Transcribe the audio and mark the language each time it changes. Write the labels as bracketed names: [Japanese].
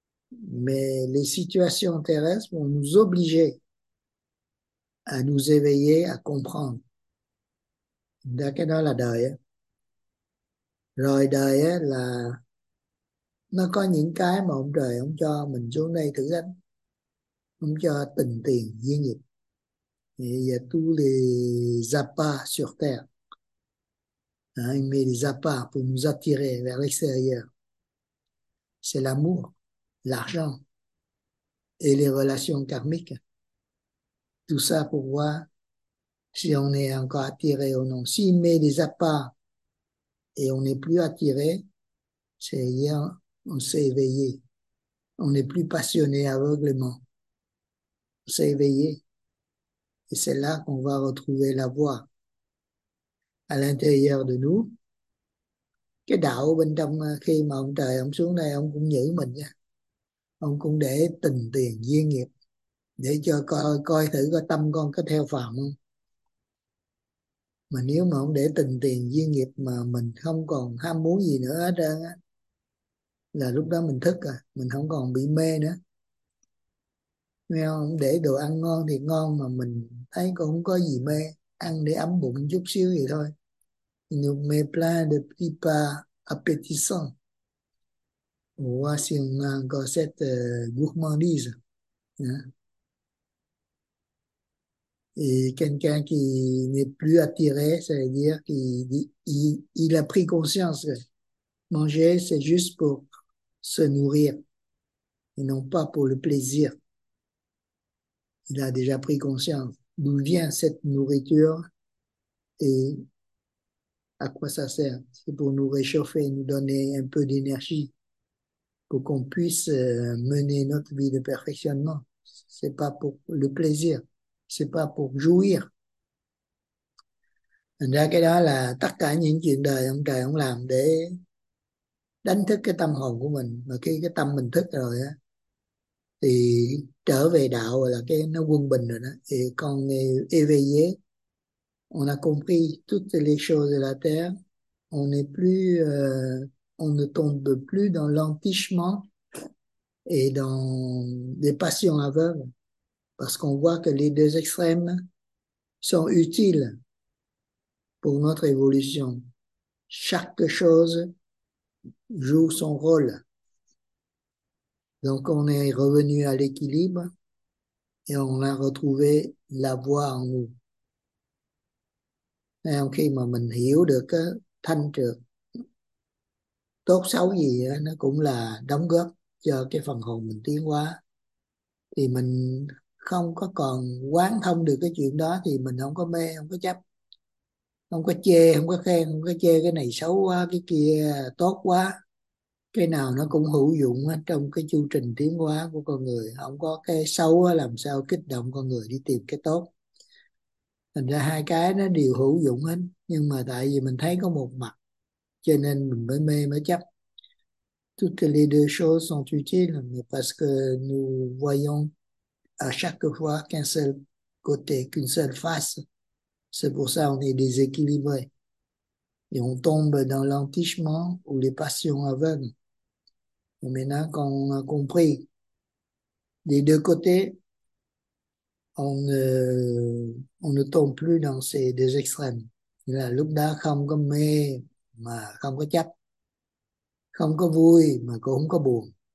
[French] Mais les situations terrestres vont nous obliger à nous éveiller, à comprendre. D'accord, dans la đời. [Vietnamese] Rồi đời là nó có những cái mà ông trời ông cho mình xuống đây thử thách. Ông cho tình tiền duyên nghiệp. [French] Il y a tous les appâts sur terre. Hein, il met les appâts pour nous attirer vers l'extérieur. C'est l'amour, l'argent et les relations karmiques. Tout ça pour voir si on est encore attiré ou non. S'il met des appâts et on n'est plus attiré, c'est rien, on s'est éveillé. On n'est plus passionné aveuglément. On s'est éveillé. Et c'est là qu'on va retrouver la voie à l'intérieur de nous. [Vietnamese] Cái đạo bên trong khi mà ông trời ông xuống đây ông cũng giữ mình nha. Ông cũng để tình tiền duyên nghiệp để cho coi coi thử có tâm con có theo phàm không. Mà nếu mà ông để tình tiền duyên nghiệp mà mình không còn ham muốn gì nữa hết trơn á là lúc đó mình thức rồi, mình không còn bị mê nữa. Nghe không? Ông để đồ ăn ngon thì ngon mà mình thấy cũng không có gì mê, ăn để ấm bụng chút xíu vậy thôi. [French] Nous met plein de petits plats appétissants. On voit si on a encore cette gourmandise. Et quelqu'un qui n'est plus attiré, c'est-à-dire qu'il a pris conscience que manger, c'est juste pour se nourrir et non pas pour le plaisir. il a déjà pris conscience d'où vient cette nourriture et à quoi ça sert. C'est pour nous réchauffer, nous donner un peu d'énergie pour qu'on puisse mener notre vie de perfectionnement. C'est pas pour le plaisir, c'est pas pour jouir. [Vietnamese] Thành ra cái đó là tất cả những chuyện đời ông trời ông làm để đánh thức cái tâm hồn của mình. Mà khi cái tâm mình thức rồi á thì trở về đạo là cái nó quân bình rồi đó. Thì con [French] éveillé, on a compris toutes les choses de la terre, on n'est plus on ne tombe plus dans l'entichement et dans des passions aveugles, parce qu'on voit que les deux extrêmes sont utiles pour notre évolution. Chaque chose joue son rôle. Donc on est revenu à l'équilibre et on a retrouvé la voie en nous. [Vietnamese] Et khi mà mình hiểu được cái thanh trược tốt xấu gì đó, nó cũng là đóng góp cho cái phần hồn mình tiến hóa, thì mình không có còn quán thông được cái chuyện đó, thì mình không có mê, không có chấp, không có chê, không có khen, không có chê cái này xấu quá, cái kia tốt quá. Cái nào nó cũng hữu dụng trong cái chu trình tiến hóa của con người, không có cái xấu làm sao kích động con người đi tìm cái tốt. Thành ra hai cái nó đều hữu dụng hết, nhưng mà tại vì mình thấy có một mặt cho nên mình mới mê mới chấp. [French] Toutes les deux choses sont utiles, mais parce que nous voyons à chaque fois qu'un seul côté, qu'une seule face. C'est pour ça qu'on est déséquilibré. Et on tombe dans l'entichement ou les passions aveugles. Et maintenant qu'on a compris des deux côtés, on ne tombe plus dans ces deux extrêmes. [Vietnamese] Là lúc đó không có mê mà không có chấp, không có vui mà cũng không có buồn.